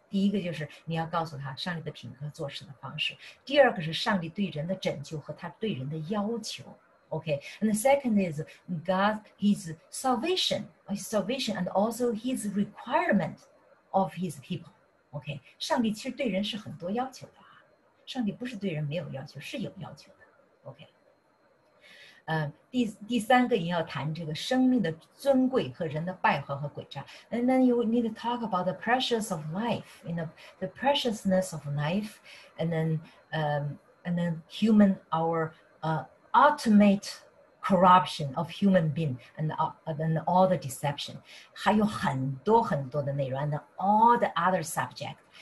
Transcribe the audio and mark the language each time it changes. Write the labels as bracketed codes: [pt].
[zh] 第一个就是你要告诉他上帝的品格做事的方式。第二个是上帝对人的拯救和他对人的要求。 [en] Okay, and the second is God, his salvation and also his requirement of his people. [zh] Okay, 上帝其实对人是很多要求的。上帝不是对人没有要求，是有要求的。 [en] Okay. [zh] 第三个你要谈这个生命的尊贵和人的败坏和诡诈。 [en] And then you need to talk about the precious of life, you know, the preciousness of life, and then human, our ultimate corruption of human being, and then all the deception. [zh] 还有很多很多的内容 [en] and all the other subjects.